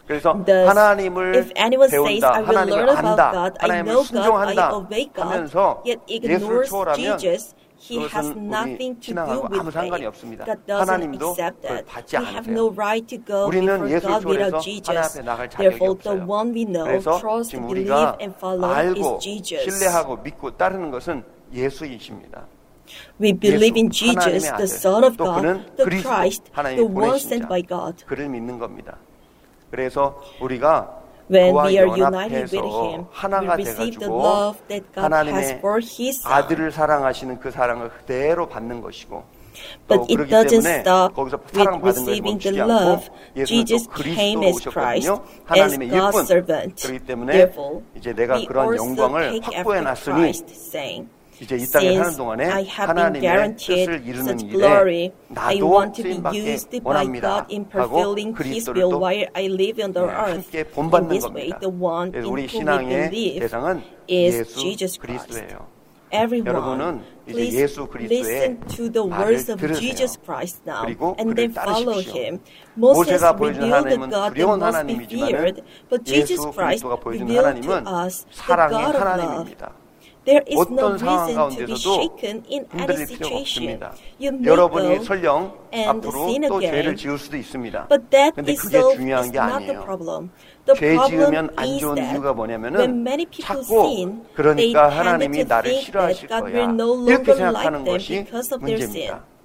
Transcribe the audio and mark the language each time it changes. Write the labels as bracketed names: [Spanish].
[English] Thus, if anyone says, I will learn about God, I know God, I obey God, yet ignores Jesus, he has nothing to do with faith. God doesn't accept that. We have no right to go before God without Jesus. Therefore, the one we know, trust, believe, and follow is Jesus. [Korean] 신뢰하고 믿고 따르는 것은 예수이십니다. [English] We believe in Jesus, the Son of God, the Christ, the one sent by God. [Korean] 그를 믿는 겁니다. 그래서 우리가 [English] when we are united with him, we receive the love that God has for his son. [Korean] 아들을 사랑하시는 그 사랑을 그대로 받는 것이고 [English] But it doesn't stop with receiving the love. Jesus came as Christ, as God's servant. Therefore, we also take after Christ, saying, [Korean] 이제 이 땅에 사는 동안에 하나님의 뜻을 이루는 일에 나도 쓰임받게 원합니다 하고 그리스도를 또 함께 본받는 겁니다. 그래서 우리 신앙의 대상은 예수 그리스도예요. 여러분은 이제 예수 그리스도의 말을 들으세요. 그리고 그를 따르십시오. 모세가 보여준 하나님은 두려운 하나님이지만 예수 그리스도가 보여준 하나님은 사랑의 하나님입니다. [English] There is no reason to be shaken in any situation. You may go and sin again, but that itself is not the problem. The problem is that when many people sin, they tend to think that God will no longer like them because of their sin.